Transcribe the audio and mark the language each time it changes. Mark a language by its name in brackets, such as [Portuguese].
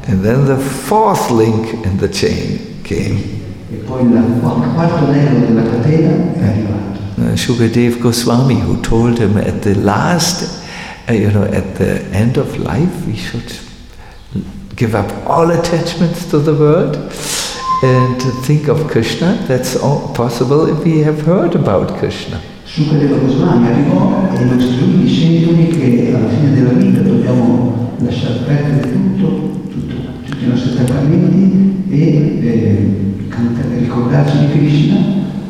[English] And then the fourth link in the chain came. [Italian] E poi il quarto anello della catena è arrivato. [English] Shukadev Goswami, who told him at the last, at the end of life, we should give up all attachments to the world and think of Krishna. That's all possible if we have heard about Krishna. [Italian] Shukadev Goswami arrivò e i nostri uomini dicendomi che alla fine della vita dobbiamo lasciare perdere tutto, tutti i nostri attaccamenti e ricordarci di Krishna.